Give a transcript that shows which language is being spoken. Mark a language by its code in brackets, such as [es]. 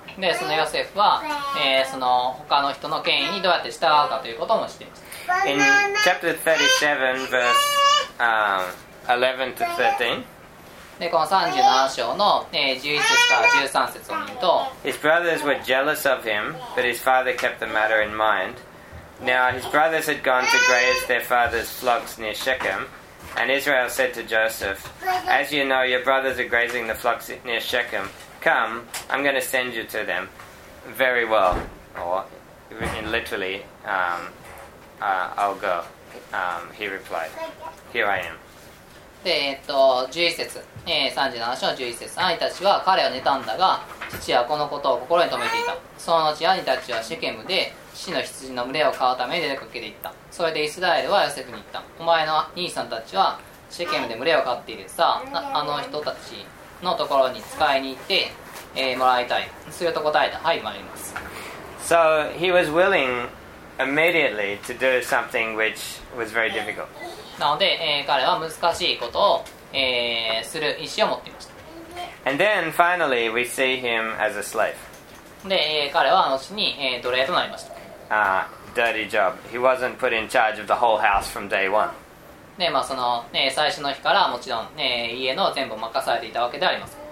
[ja] でそのヨセフは、その他の人の権威にどうやって従うかということも知っています。 [en] In chapter 37, verse, 11 to 13. [ja] でこの37章の、11節から13節を見ると [en] His brothers were jealous of him, but his father kept the matter in mind. Now his brothers had gone to graze their father's flocks near Shechem, and Israel said to Joseph, As you know, your brothers are grazing the flocks near Shechem. Come, I'm going to send you to them. Very well. Or, in literally, I'll go. He replied. Here I am. [ja] で11節、37章の11節兄たちは彼を妬んだが父はこのことを心に留めていたその後兄たちはシェケムで父の羊の群れを飼うために出かけていったそれでイスラエルはヨセフに言ったお前の兄さんたちはシェケムで群れを飼っているさあの人たちのところに使いに行って、もらいたいすると答えたはい参ります [en] So he was willing immediately to do something which was very difficult [ja] なので、彼は難しいことを、する意思を持っていました。 [en] And then, finally, we see him as a slave. [ja] で、彼は後に、奴隷となりました。 [en] Dirty job. He wasn't put in charge of the whole house from day one. [ja] で、まあその、最初の日からもちろん、家の全部任されていたわけであります。